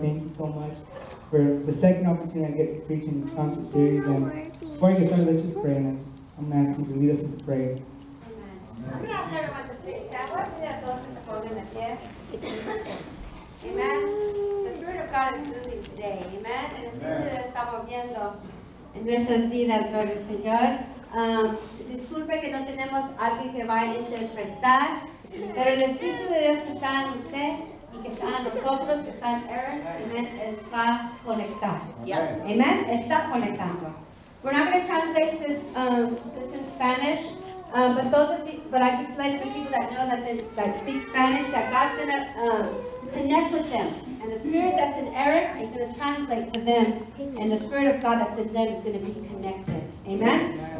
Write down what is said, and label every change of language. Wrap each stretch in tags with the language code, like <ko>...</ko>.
<en>Thank you so much for the second opportunity I get to preach in this concert series. And before I get started, let's just pray. I'm going to ask you to lead us into prayer. Amen. I'm going to ask everyone to please stand. Why don't we have those with the phone in the pit? Amen. The Spirit of God is moving today. Amen.</en> <es>El Espíritu de Dios estamos viendo en nuestras vidas, gloria al Señor. Disculpe que no tenemos alguien que va a interpretar, pero el Espíritu de Dios que está en usted y que está en nosotros, que está en Eric, amen, está conectado.</es> <en>Yes.</en> <es>Amen. Está conectando.</es> <en>We're not going to translate this in Spanish, but I just like the people that know that speak Spanish, that God's going to connect with them. And the spirit that's in Eric is going to translate to them, and the spirit of God that's in them is going to be connected. Amen?</en>